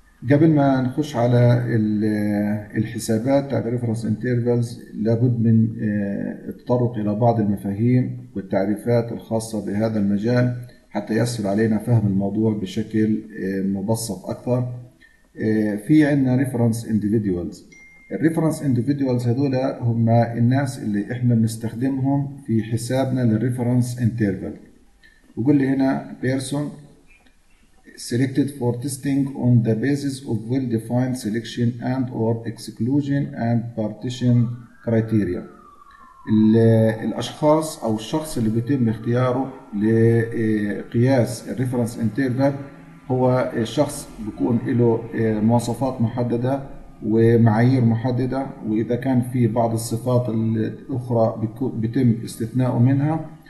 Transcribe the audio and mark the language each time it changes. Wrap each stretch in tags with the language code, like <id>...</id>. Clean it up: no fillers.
<ar>قبل ما نخش على الحسابات تبع الريفرنس انترفلز لابد من التطرق الى بعض المفاهيم والتعريفات الخاصه بهذا المجال حتى يسهل علينا فهم الموضوع بشكل مبسط اكثر. في عندنا ريفرنس انديفيديوالز. الريفرنس انديفيديوالز هذول هم الناس اللي احنا بنستخدمهم في حسابنا للريفرنس انترفل. بقول لي هنا</ar> <en>Person selected for testing on the basis of well-defined selection and or exclusion and partition criteria.</en> <ar>الأشخاص أو الشخص اللي بيتم اختياره لقياس الريفرنس انترفال هو شخص بيكون له مواصفات محددة ومعايير محددة، وإذا كان في بعض الصفات الأخرى بيتم استثناءه منها.</ar>